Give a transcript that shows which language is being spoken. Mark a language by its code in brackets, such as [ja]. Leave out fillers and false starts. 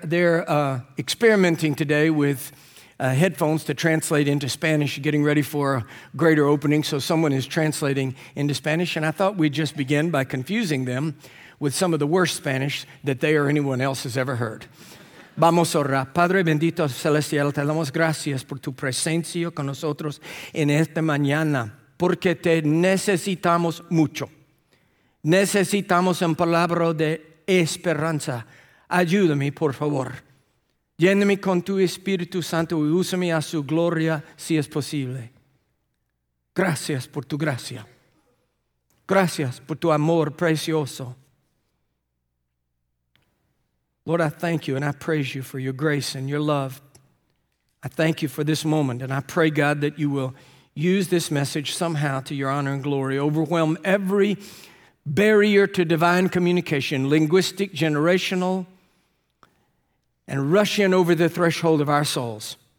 [en] They're experimenting today with headphones to translate into Spanish, getting ready for a greater opening, so someone is translating into Spanish, and I thought we'd just begin by confusing them with some of the worst Spanish that they or anyone else has ever heard. [es] Vamos a orar. Padre bendito celestial, te damos gracias por tu presencia con nosotros en esta mañana, porque te necesitamos mucho. Necesitamos un palabra de esperanza. Ayúdame, por favor. Lléname con tu Espíritu Santo y úsame a su gloria si es posible. Gracias por tu gracia. Gracias por tu amor precioso. [en] Lord, I thank you and I praise you for your grace and your love. I thank you for this moment and I pray, God, that you will use this message somehow to your honor and glory. Overwhelm every barrier to divine communication, linguistic, generational, and rush in over the threshold of our souls.